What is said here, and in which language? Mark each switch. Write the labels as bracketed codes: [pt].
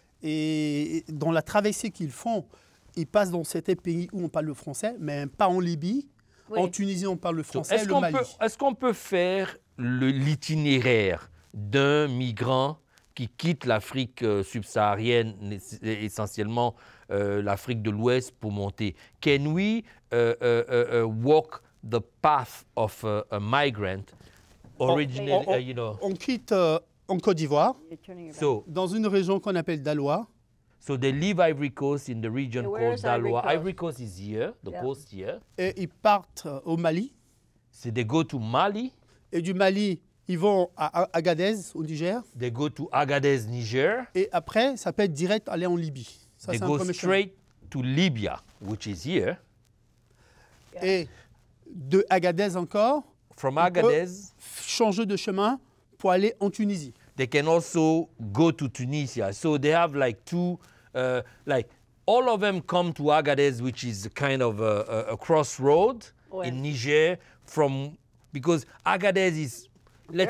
[fr] Et dans la traversée qu'ils font, ils passent dans certains pays où on parle le français, mais pas en Libye. Oui. En Tunisie, on parle le français, le Mali. Est-ce qu'on peut faire l'itinéraire d'un migrant qui quitte l'Afrique subsaharienne, essentiellement l'Afrique de l'Ouest, pour monter. [en] Can we walk the path of a migrant originally, you know? [fr] On quitte en Côte d'Ivoire, [en] so, [fr] dans une région qu'on appelle Daloa. [en] So they leave Ivory Coast in the region called Daloa. Ivory Coast is here, the coast here. [fr] Et ils partent au Mali. [en] So they go to Mali. [fr] Et du Mali, ils vont à Agadez, au Niger. [en] They go to Agadez, Niger. [fr] Et après, ça peut être direct aller en Libye. Ça, [en] they go straight to Libya, which is here. Yeah. [fr] Et de Agadez encore. [en] From Agadez. [fr] Changer de chemin pour aller en Tunisie. [en] They can also go to Tunisia. So they have like two, like all of them come to Agadez, which is kind of a crossroad in Niger from, because Agadez is, let's